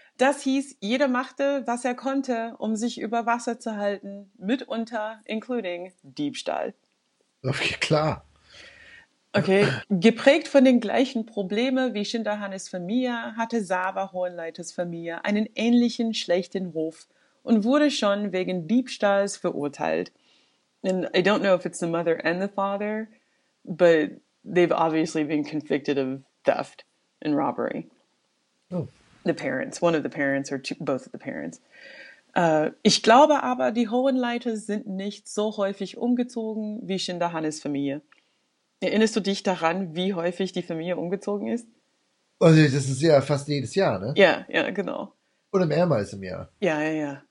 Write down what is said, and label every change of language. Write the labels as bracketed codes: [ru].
[de] Das hieß, jeder machte, was er konnte, um sich über Wasser zu halten, mitunter [en] including [de] Diebstahl. Okay, klar. Okay, geprägt von den gleichen Problemen wie Schinderhannes Familie, hatte Sava Hohenleiters Familie einen ähnlichen schlechten Ruf und wurde schon wegen Diebstahls verurteilt. [en] And I don't know if it's the mother and the father, but they've obviously been convicted of theft and robbery. Oh. The parents, one of the parents or two, both of the parents. [de] Ich glaube aber, die Hohenleiter sind nicht so häufig umgezogen wie Schinderhannes Familie. Erinnerst du dich daran, wie häufig die Familie umgezogen ist? Also das ist ja fast jedes Jahr, ne? Ja, ja, genau. Oder mehrmals im Jahr. Ja, ja, ja.